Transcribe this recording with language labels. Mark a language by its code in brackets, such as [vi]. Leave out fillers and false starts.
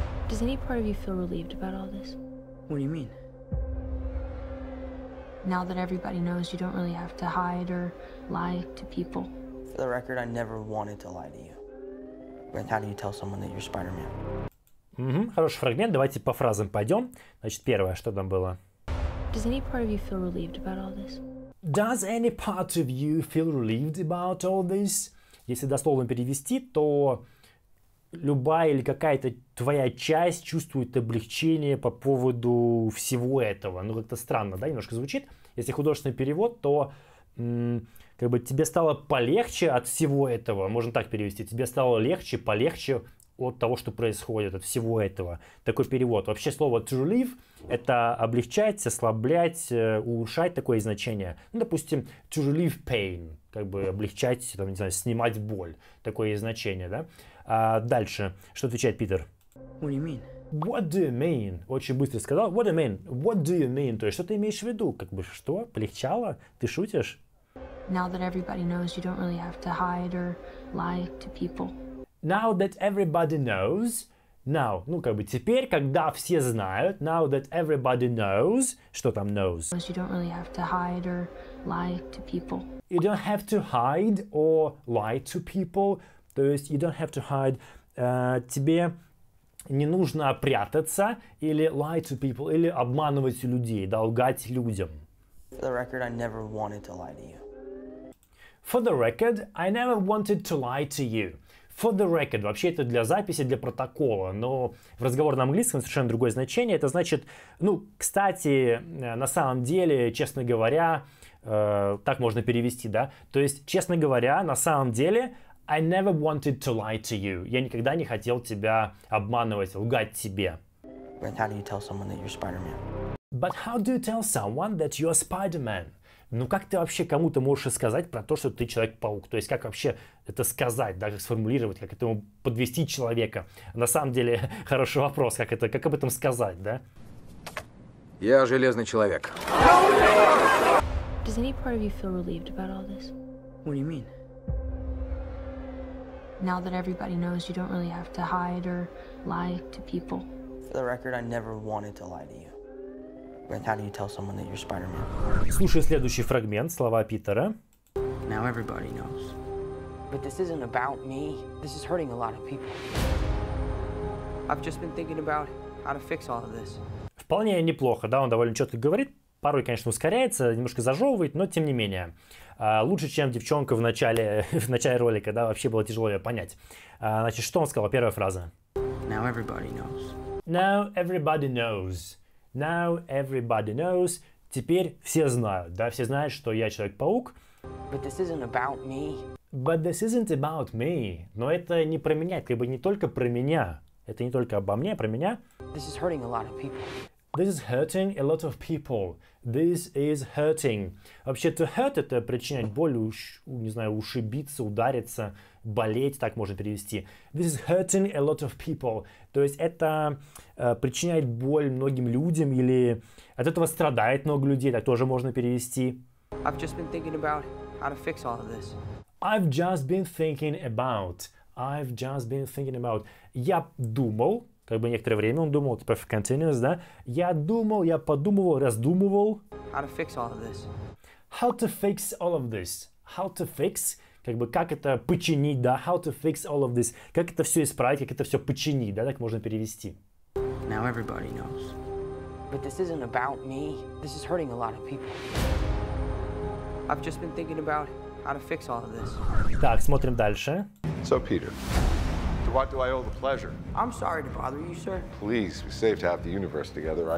[en] Does any part of you feel relieved about all this? What do you mean? Now that everybody knows, you don't really have to hide or lie to people. For the record, I never wanted to lie to you. But how do you tell someone that you're Spider-Man? [ru] Хороший фрагмент. Давайте по фразам пойдем. Значит, первое, что там было? [en] Does any part of you feel relieved about all this? Does any part of you feel relieved about all this? [ru] Если дословно перевести, то любая или какая-то твоя часть чувствует облегчение по поводу всего этого. Ну, как-то странно, да, немножко звучит. Если художественный перевод, то как бы тебе стало полегче от всего этого. Можно так перевести. Тебе стало легче, полегче от того, что происходит, от всего этого. Такой перевод. Вообще слово to relieve — это облегчать, ослаблять, улучшать такое значение. Ну, допустим, [en] to relieve pain. [ru] Как бы облегчать, там, не знаю, снимать боль. Такое значение, да? А дальше. Что отвечает Питер? [en] What do you mean? What do you mean? [ru] Очень быстро сказал. [en] What do you mean? What do you mean? [ru] То есть, что ты имеешь в виду? Как бы, что? Полегчало? Ты шутишь? [en] Now that everybody knows, you don't really have to hide or lie to people. Now that everybody knows. Now. [ru] Ну, как бы, теперь, когда все знают. [en] Now that everybody knows. [ru] Что там [en] knows? You don't really have to hide or lie to people. You don't have to hide or lie to people. [ru] То есть, [en] you don't have to hide. [ru] Тебе не нужно прятаться или [en] lie to people, [ru] или обманывать людей, да, лгать людям. [en] For the record, I never wanted to lie to you. For the record, I never wanted to lie to you. For the record. [ru] Вообще, это для записи, для протокола. Но в разговорном английском совершенно другое значение. Это значит, ну, кстати, на самом деле, честно говоря, так можно перевести, да? То есть, честно говоря, на самом деле, [en] I never wanted to lie to you. [ru] Я никогда не хотел тебя обманывать, лгать тебе. [en] But how do you tell someone that you're Spider-Man? But how do you tell someone that you're Spider-Man? [ru] Ну как ты вообще кому-то можешь сказать про то, что ты Человек-паук? То есть как вообще это сказать, да, как сформулировать, как этому подвести человека? На самом деле, хороший вопрос, как это, как об этом сказать, да? Я Железный Человек. [en] Does any part of you feel relieved about all this? What do you mean? Now that everybody knows, you don't really have to hide or lie to people. For the record, I never wanted to lie to you. But how do you tell someone that you're Spider-Man? [ru] Слушай следующий фрагмент, слова Питера. [en] Now everybody knows. But this isn't about me. This is hurting a lot of people. I've just been thinking about how to fix all of this. [ru] Вполне неплохо, да, он довольно четко говорит. Порой, конечно, ускоряется, немножко зажевывает, но тем не менее. Лучше, чем девчонка в начале ролика, да, вообще было тяжело ее понять. Значит, что он сказал? Первая фраза. [en] Now everybody knows. Now everybody knows. Now everybody knows. [ru] Теперь все знают, да, все знают, что я Человек-паук. [en] But this isn't about me. But this isn't about me. [ru] Но это не про меня, это как бы не только про меня. Это не только обо мне, а про меня. [en] This is hurting a lot of people. This is hurting a lot of people. This is hurting. [ru] Вообще, to hurt — это причинять боль, не знаю, ушибиться, удариться, болеть, так можно перевести. [en] This is hurting a lot of people. [ru] То есть это причиняет боль многим людям или от этого страдает много людей, так тоже можно перевести. [en] I've just been thinking about how to fix all of this. I've just been thinking about. I've just been thinking about. [ru] Я думал. Как бы некоторое время он думал, типа в continuous, да? Я думал, я подумывал, раздумывал. [en] How to fix all of this? How to fix all of this? How to fix? [ru] Как бы как это починить, да? [en] How to fix all of this? [ru] Как это все исправить, как это все починить, да? Так можно перевести. [en] Now everybody knows. But this isn't about me. This is hurting a lot of people. I've just been thinking about how to fix all of this. [ru] Так, смотрим дальше. [en] So, Peter, do what do I owe the pleasure? I'm sorry to bother you, sir. Please, we saved half the universe together.